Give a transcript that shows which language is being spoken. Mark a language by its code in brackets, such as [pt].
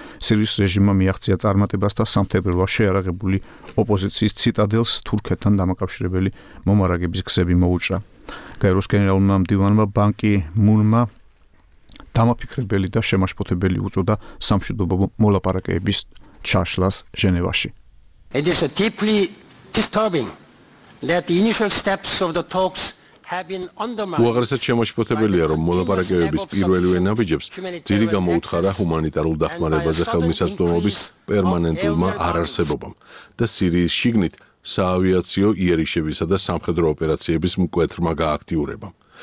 [ka] სირიის რეჟიმმა მიაღწია წარმატებას და სამთავრობოს შეარაღებული ოპოზიციის ციტადელს თურქეთთან დამაკავშირებელი მომარაგების გზები მოუჭრა. გაეროს გენერალურმა მდივანმა ბან კი მუნმა დამაფიქრებელი და შემაშფოთებელი უწოდა სამშვიდობო მოლაპარაკების ჩაშლას ჟენევაში. [en] It is deeply disturbing that the initial steps of the talks have been undermined. [ka] უაღრესად შემოშფოთებელია, რომ მოლაპარაკებების პირველივე ნაბიჯებს ძირი გამოუთხარა ჰუმანიტარულ დახმარებაზე ხელმისაწვდომობის პერმანენტულმა არარსებობამ და სირიის შიგნით საავიაციო იერიშებისა და სამხედრო ოპერაციების მკვეთრმა გააქტიურებამ.